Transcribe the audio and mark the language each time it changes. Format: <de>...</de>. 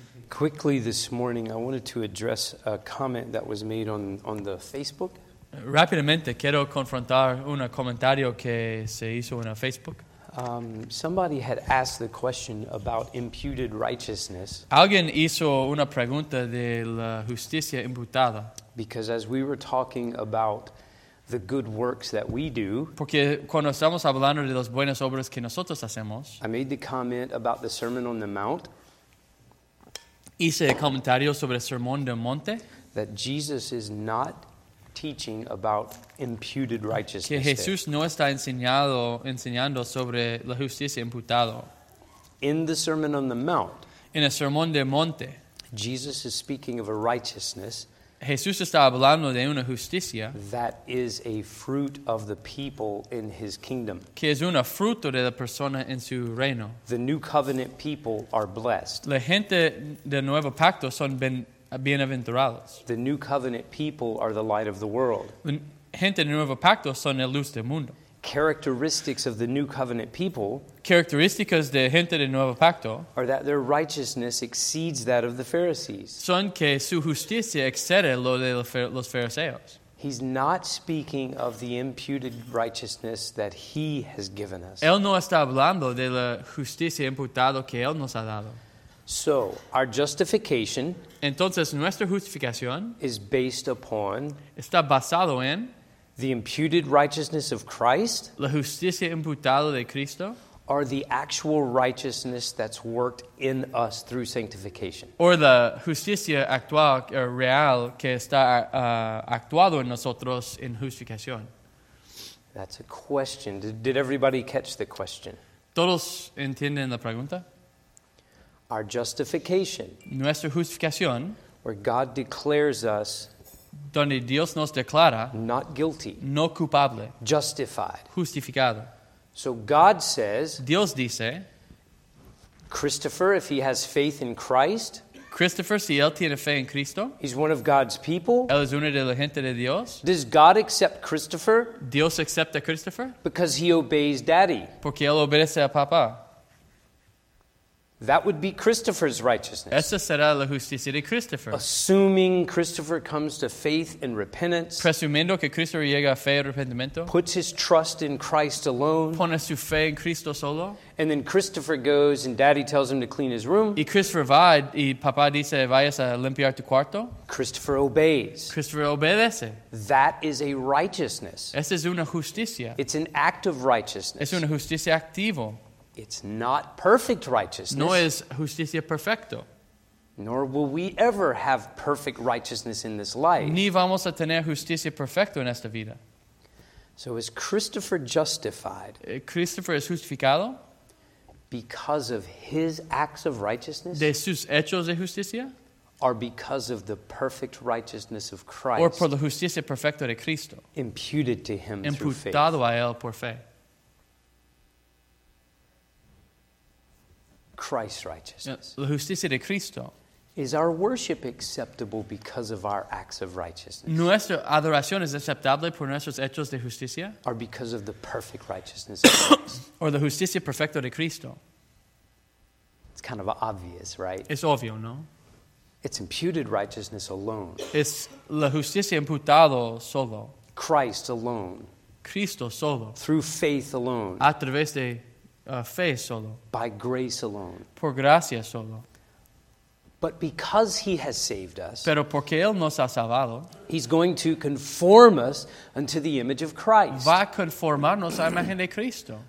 <en>Quickly this morning, I wanted to address a comment that was made on the Facebook.</en> <es>Rapidamente quiero confrontar un comentario que se hizo en Facebook.</es> <en>Somebody had asked the question about imputed righteousness.</en> <es>Alguien hizo una pregunta de la justicia imputada.</es> <en>Because as we were talking about the good works that we do,</en> <es>porque cuando estamos hablando de las buenas obras que nosotros hacemos,</es> <en>I made the comment about the Sermon on the Mount.</en> <es>Hice el comentario sobre el Sermón del Monte.</es> <en>That Jesus is not teaching about imputed righteousness.</en> <es>Que Jesús no está enseñando sobre la justicia imputada.</es> <en>In the Sermon on the Mount,</en> <es>en el Sermón del Monte,</es> <en>Jesus is speaking of a righteousness.</en> <es>Jesús está hablando de una justicia.</es> <en>That is a fruit of the people in his kingdom.</en> <es>Que es un fruto de la persona en su reino.</es> <en>The new covenant people are blessed.</en> <es>La gente del nuevo pacto son bienaventurados.</es> <en>The new covenant people are the light of the world.</en> <es>La gente del nuevo pacto son la luz del mundo.</es> <en>Characteristics of the new covenant people,</en> <es>características de gente del nuevo pacto,</es> <en>are that their righteousness exceeds that of the Pharisees.</en> <es>Son que su justicia excede lo de los fariseos.</es> <en>He's not speaking of the imputed righteousness that he has given us.</en> <es>Él no está hablando de la justicia imputada que él nos ha dado.</es> <en>So, our justification,</en> <es>entonces nuestra justificación,</es> <en>is based upon,</en> <es>está basado en,</es> <en>the imputed righteousness of Christ,</en> <es>la justicia imputada de Cristo,</es> <en>or the actual righteousness that's worked in us through sanctification.</en> <es>Or la justicia actual o real que está actuado en nosotros en justificación.</es> <en>That's a question. Did everybody catch the question?</en> <es>¿Todos entienden la pregunta?</es> <en>Our justification,</en> <es>nuestra justificación,</es> <en>where God declares us,</en> <es>donde Dios nos declara,</es> <en>not guilty,</en> <es>no culpable,</es> <en>justified,</en> <es>justificado.</es> <en>So God says,</en> <es>Dios dice,</es> <en>Christopher, if he has faith in Christ,</en> <es>Christopher, si él tiene fe en Cristo,</es> <en>he's one of God's people,</en> <es>él es uno de la gente de Dios,</es> <en>does God accept Christopher?</en> <es>Dios acepta a Christopher?</es> <en>Because he obeys Daddy.</en> <es>Porque él obedece a papá.</es> <en>That would be Christopher's righteousness.</en> <es>Esa será la justicia de Christopher.</es> <en>Assuming Christopher comes to faith and repentance.</en> <es>Presumiendo que Christopher llega a fe y arrepentimiento.</es> <en>Puts his trust in Christ alone.</en> <es>Pone su fe en Cristo solo.</es> <en>And then Christopher goes and Daddy tells him to clean his room.</en> <es>Y Christopher va y papá dice vayas a limpiar tu cuarto.</es> <en>Christopher obeys.</en> <es>Christopher obedece.</es> <en>That is a righteousness.</en> <es>Esa es una justicia.</es> <en>It's an act of righteousness.</en> <es>Es una justicia activa.</es> <en>It's not perfect righteousness.</en> <es>No es justicia perfecto.</es> <en>Nor will we ever have perfect righteousness in this life.</en> <es>Ni vamos a tener justicia perfecto en esta vida.</es> <en>So is Christopher justified?</en> <es>Christopher es justificado?</es> <en>Because of his acts of righteousness?</en> <es>De sus hechos de justicia?</es> <en>Or because of the perfect righteousness of Christ?</en> <es>Or por la justicia perfecta de Cristo?</es> <en>Imputed to him</en> <es>imputado</es> <en>through faith.</en> <es>Imputado a él por fe.</es> <en>Christ's righteousness.</en> <es>La justicia de Cristo.</es> <en>Is our worship acceptable because of our acts of righteousness?</en> <es>Nuestra adoración es aceptable por nuestros hechos de justicia?</es> <en>Or because of the perfect righteousness of Christ?</en> <es>Or la justicia perfecta de Cristo?</es> <en>It's kind of obvious, right?</en> <es>Es obvio, ¿no?</es> <en>It's imputed righteousness alone.</en> <es>Es la justicia imputada solo.</es> <en>Christ alone.</en> <es>Cristo solo.</es> <en>Through faith alone.</en> <es>A través de fe solo.</es> <en>By grace alone.</en> <es>Por gracia solo.</es> <en>But because he has saved us,</en> <es>pero porque él nos ha salvado,</es> <en>he's going to conform us unto the image of Christ.</en> <es>Va a conformarnos a la imagen de Cristo.</es>